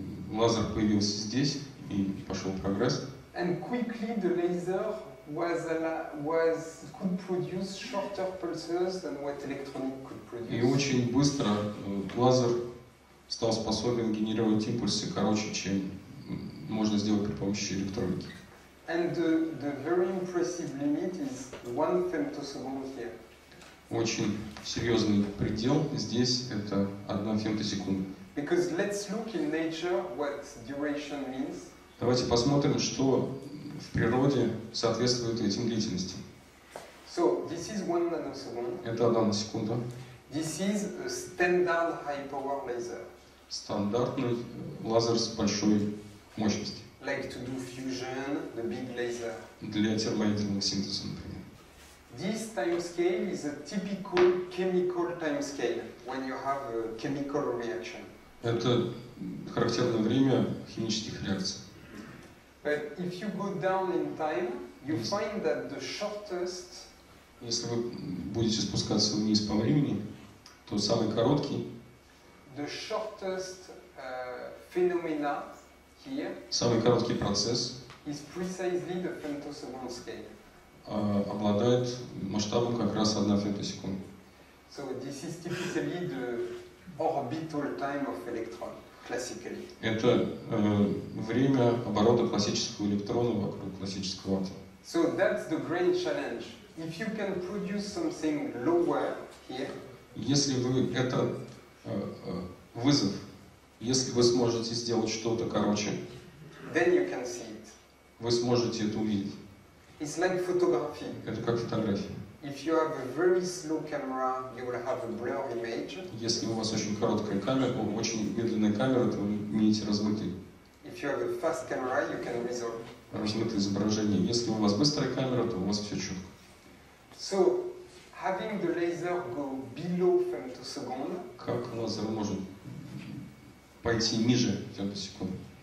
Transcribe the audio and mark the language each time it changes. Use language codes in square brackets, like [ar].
[ru] Лазер появился здесь и пошел прогресс. [en] And quickly the laser could produce shorter pulses than what electronic could produce. [ru] И очень быстро лазер стал способен генерировать импульсы короче, чем можно сделать при помощи электроники. [en] And the very impressive limit is one femtosecond here. [ru] Очень серьезный предел здесь это одна фемтосекунда. [en] Because let's look in nature what duration means. [ru] Давайте посмотрим, что в природе соответствует этим длительности. [en] So this is one nanosecond. [ru] Это одна секунда. [en] This is a standard high power laser. [ru] Стандартный лазер с большой мощности. [en] Like to do fusion, the big laser. [ru] Для термоядерного синтеза, например. [en] This time scale is a typical chemical time scale when you have a chemical reaction. [ru] Это характерное время химических реакций. [en] But if you go down in time, you find that the shortest. [ru] Если вы будете спускаться вниз по времени, то самый короткий. [en] The shortest phenomena here. [ru] Самый короткий процесс. [en] Is precisely the femtosecond scale. [ru] Обладает масштабом как раз 1 фемтосекунда. [en] So this is typically the orbital time of electron, classically. [ru] Это время оборота классического электрона вокруг классического атома. [en] So that's the great challenge. If you can produce something lower here. [ru] Если вы это вызов, если вы сможете сделать что-то короче. [en] Then you can see it. [ru] Вы сможете это увидеть. [en] It's like photography. [ru] Это как фотография. [en] If you have a very slow camera, you will have a blurry image. [ru] Если у вас очень короткая камера, очень медленная камера, то вы имеете размытый. [en] If you have a fast camera, you can resolve. [ru] Размытое изображение. Если у вас быстрая камера, то у вас все четко. [en] So, having the laser go below femtosecond. [ru] Как лазер может пойти ниже фемтосекунды?